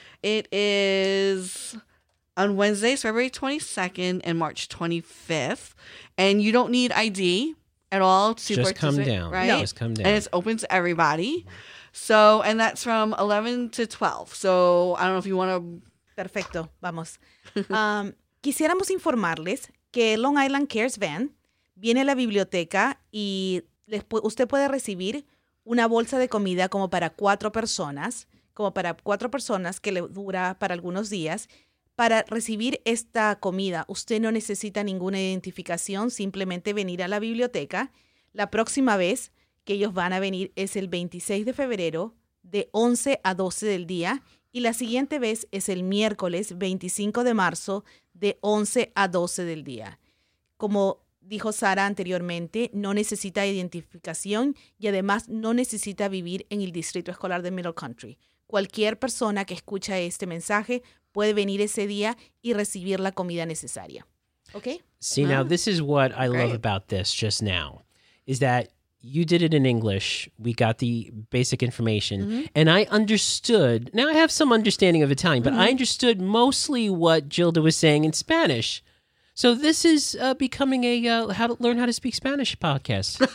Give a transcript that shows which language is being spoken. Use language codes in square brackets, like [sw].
[en] It is on Wednesdays, February 22nd and March 25th. And you don't need ID at all to participate. Just come down. Right? No. Just come down. And it's open to everybody. So, and that's from 11 to 12. So I don't know if you want to. [es] Perfecto. Vamos. Quisiéramos informarles que Long Island Cares Van viene a la biblioteca y usted puede recibir una bolsa de comida como para cuatro personas. Como para cuatro personas que le dura para algunos días. Para recibir esta comida, usted no necesita ninguna identificación, simplemente venir a la biblioteca. La próxima vez que ellos van a venir es el 26 de febrero de 11 a 12 del día y la siguiente vez es el miércoles 25 de marzo de 11 a 12 del día. Como dijo Sara anteriormente, no necesita identificación y además no necesita vivir en el Distrito Escolar de Middle Country. Cualquier persona que escucha este mensaje puede venir ese día y recibir la comida necesaria. [en] Okay? See, now this is what I love about this just now, is that you did it in English. We got the basic information. Mm-hmm. And I understood. Now I have some understanding of Italian, but mm-hmm. I understood mostly what Gilda was saying in Spanish. So this is becoming a how to learn how to speak Spanish podcast.